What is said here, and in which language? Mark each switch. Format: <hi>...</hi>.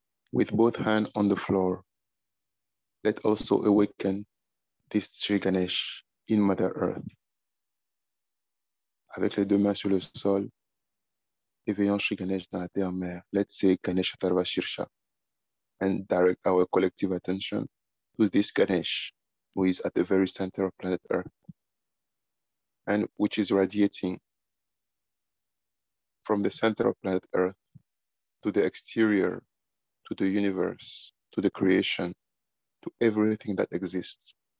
<en>With both hands on the floor, let also awaken this Shri Ganesh in Mother Earth.</en> <fr>Avec les deux mains sur le sol, éveillons Shri Ganesh dans la terre mère.</fr> <en>Let's say Ganesh Atarva Shirsha and direct our collective attention to this Ganesh, who is at the very center of planet Earth and which is radiating from the center of planet Earth to the exterior, to the universe, to the creation, to everything that exists.</en>